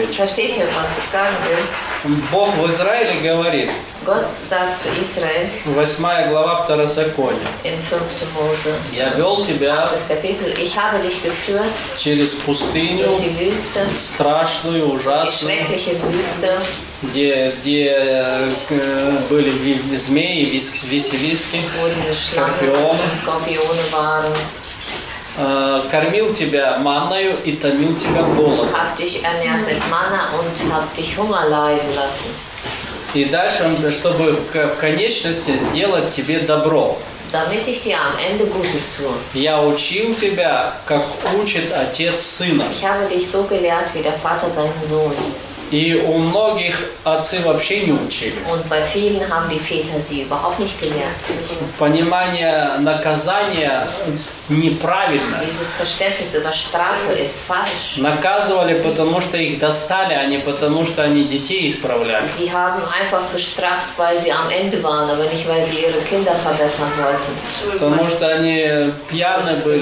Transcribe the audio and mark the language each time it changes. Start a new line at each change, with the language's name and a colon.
German: Verstehte, was ich sagen will.
Russian: Бог в Израиле говорит.
German: Gott sagt zu Israel.
Russian: 8 глава Второзакония.
German: In 5. Mose.
Russian: Я вел тебя.
German: Das Kapitel. Ich habe dich geführt.
Russian: Через пустыню.
German: Durch die Wüste.
Russian: Страшную, ужасную.
German: Die schreckliche Wüste.
Russian: Где были змеи, висевиски.
German: Wo diese Schlangen und Skorpione waren.
Russian: Кормил тебя манною и томил тебя голодом.
German: Hab dich ernährt mit Manna und hab dich Hunger leiden lassen.
Russian: И дальше, чтобы в конечности сделать тебе добро.
German: Damit ich dir am Ende Gutes tue.
Russian: Я учил тебя, как учит отец сына.
German: Ich habe dich so gelehrt, wie der Vater seinen Sohn.
Russian: И у многих отцы вообще не учили.
German: Und bei vielen haben die Väter sie überhaupt nicht gelehrt.
Russian: Понимание наказания неправильно.
German: Dieses Verständnis über Strafe ist falsch.
Russian: Наказывали, потому что их достали, а не потому что они детей исправляли.
German: Sie haben einfach bestraft, weil sie am Ende waren, aber nicht, weil sie ihre Kinder verbessern wollten.
Russian: Потому что они пьяны были.